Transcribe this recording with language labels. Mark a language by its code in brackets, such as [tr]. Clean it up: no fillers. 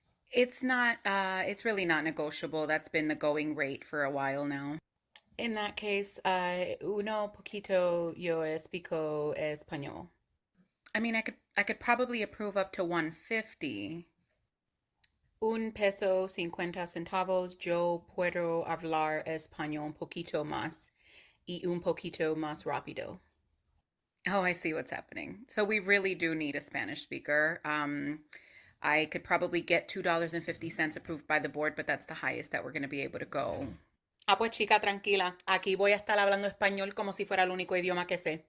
[en] It's not, it's really not negotiable. That's been the going rate for a while now. In that case, [es] uno poquito yo espico español. [en] I mean, I could probably approve up to 150. [es] Un peso 50 centavos yo puedo hablar español un poquito más y un poquito más rápido. [en] Oh, I see what's happening. So we really do need a Spanish speaker. I could probably get $2.50 approved by the board, but that's the highest that we're going to be able to go. [es] Ah, pues chica, tranquila. Aquí voy a estar hablando español como si fuera el único idioma que sé.